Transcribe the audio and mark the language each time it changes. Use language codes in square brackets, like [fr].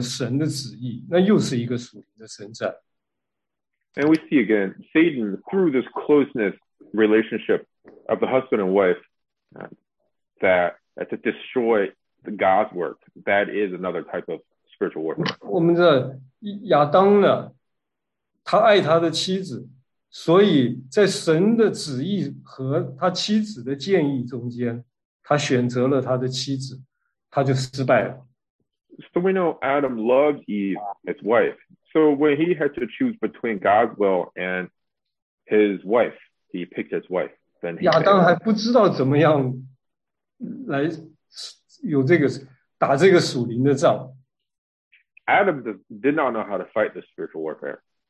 [zh] 你就看见撒旦借着这个丈夫和妻子之间情感的关系，就破坏了神的旨意，那又是一个属灵的征战。 [en] And we see again, Satan, through this closeness relationship of the husband and wife, that to destroy the God's work, that is another type of spiritual warfare. [zh] 我们这亚当呢，他爱他的妻子，所以在神的旨意和他妻子的建议中间，他选择了他的妻子，他就失败了。So [en] we know Adam loved Eve, his wife. So when he had to choose between God's will and his wife, he picked his wife. Then he [zh] 亚当还不知道怎么样。来有这个打这个属灵的仗。 [en] Adam did not know how to fight the spiritual warfare.